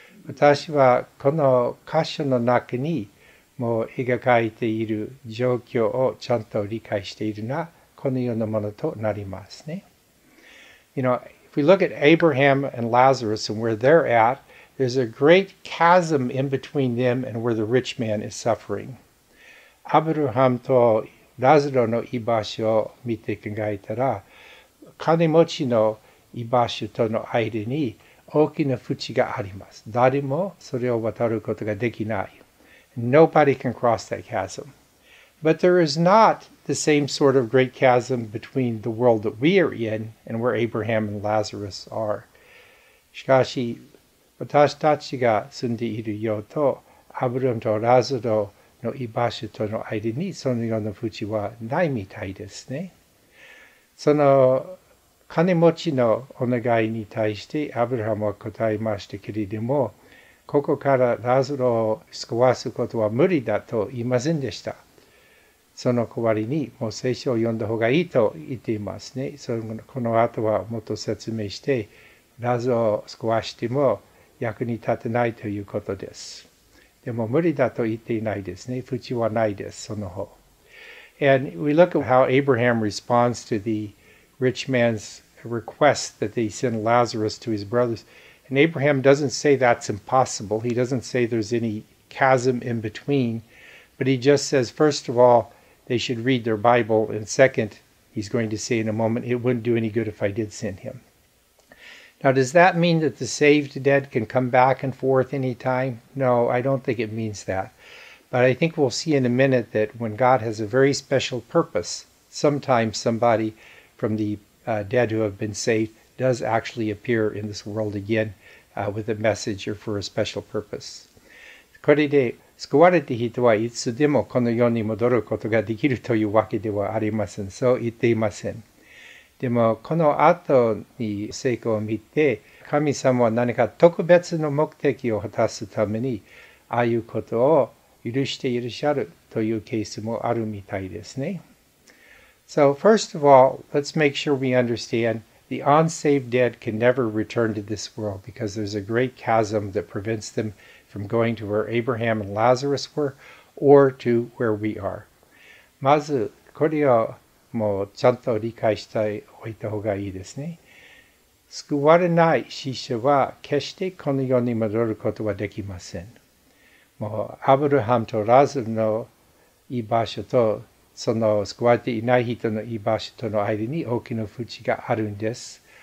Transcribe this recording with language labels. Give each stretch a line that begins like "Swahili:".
Japanese: 私はこの箇所の中にもう描かれている状況をちゃんと理解しているな、このようなものとなりますね。
English: You know, if we look at Abraham and Lazarus and where they're at, there's a great chasm in between them and where the rich man is suffering.
Japanese: アブラハムとラザロの居場所を見て考えたら、金持ちの居場所との間に、大きな淵があります。誰もそれを渡ることができない。
English: Nobody can cross that chasm. But there is not the same sort of great chasm between the world that we are in and where Abraham and Lazarus are.
Japanese: しかし、私たちが住んでいる世と、アブラムとラザロの居場所との間にそのような淵はないみたいですね。その金持ちのお願いに対してアブラハムは答えましたけれども、ここからラザロを救わすことは無理だと言いませんでした。その代わりに、もう聖書を読んだ方がいいと言っていますね。そのこの後はもっと説明して、ラザロを救わしても役に立てないということです。でも無理だと言っていないですね。淵はないです、その方。
English: And we look at how Abraham responds to theRich man's request that they send Lazarus to his brothers. And Abraham doesn't say that's impossible. He doesn't say there's any chasm in between. But he just says, first of all, they should read their Bible. And second, he's going to say in a moment, it wouldn't do any good if I did send him. Now, does that mean that the saved dead can come back and forth anytime? No, I don't think it means that. But I think we'll see in a minute that when God has a very special purpose, sometimes somebodyfrom the dead who have been saved, does actually appear in this world again with a message or for a special purpose.
Japanese: これで救われた人はいつでもこの世に戻ることができるというわけではありません。そう言っていません。でもこの後に成功を見て、神様は何か特別の目的を果たすために、ああいうことを許していらっしゃるというケースもあるみたいですね。
English: So first of all, let's make sure we understand the unsaved dead can never return to this world because there's a great chasm that prevents them from going to where Abraham and Lazarus were or to where we are.
Japanese: まずこれをもうちゃんと理解しておいた方がいいですね。救われない死者は決してこの世に戻ることはできません。もうアブラハムとラザロの居場所とその救われていない人の居場所との間に大きな縁があるんです。